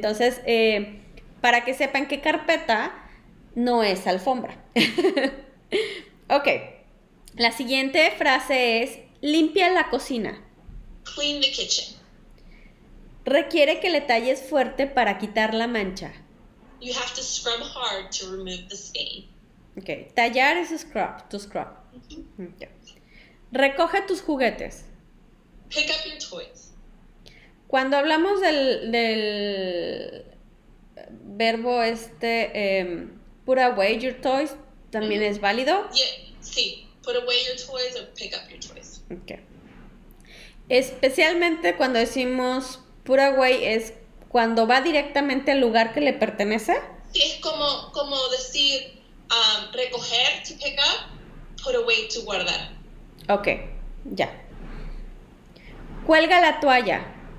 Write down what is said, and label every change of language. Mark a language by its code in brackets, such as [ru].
[es] Entonces, para que sepan que carpeta no es alfombra. Ok. La siguiente frase es, limpia la cocina. [en] Clean the kitchen. [es] Requiere que le talles fuerte para quitar la mancha. [en] You have to scrub hard to remove the stain. [es] Ok, tallar es scrub, to scrub. Okay. Recoge tus juguetes. [en] Pick up your toys. [es] Cuando hablamos del verbo este, [en] put away your toys, [es] también es válido. [en] Sí, put away your toys or pick up your toys. Okay. [es] Especialmente cuando decimos put away es cuando va directamente al lugar que le pertenece. Sí, es como decir, recoger, to pick up, put away, to guardar. Ok, ya. Cuelga la toalla.